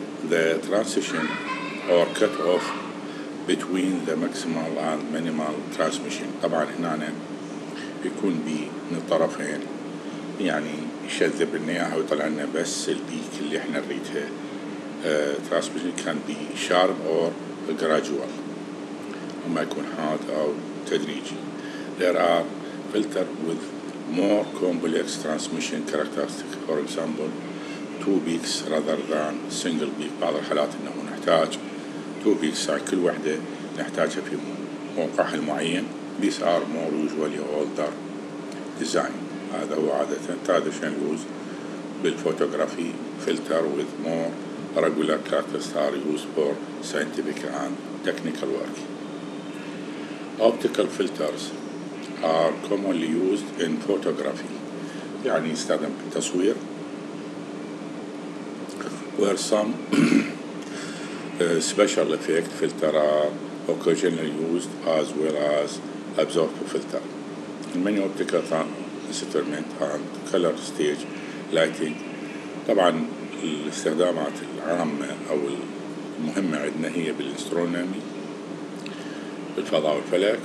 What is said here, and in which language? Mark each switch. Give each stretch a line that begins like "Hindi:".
English: The transition or cut off between the maximal and minimal transmission،
Arabic: طبعا هنا يكون بي من الطرفين يعني يشذب لنا إياها ويطلع لنا بس البيك اللي احنا نريدها.
English: Transmission can be sharp or gradual،
Arabic: أما يكون حاد أو تدريجي.
English: There are filters with more complex transmission characteristics، for example two peaks rather than single peak.
Arabic: بعض الحالات أنه نحتاج two peaks، كل واحدة نحتاجها في موقع معين.
English: These are more usually older design،
Arabic: هذا هو عادة
English: traditional use بالفوتوغرافي. Filter with more regular characteristics are used for scientific and technical work. Optical filters are commonly used in photography.
Arabic: يعني يستخدم في التصوير.
English: Where some special effect filter are occasionally used as well as absorptive filter. In many optical instruments and color stage lighting.
Arabic: طبعا الاستخدامات العامة أو المهمة عندنا هي بالإسترونومي بالفضاء والفلك.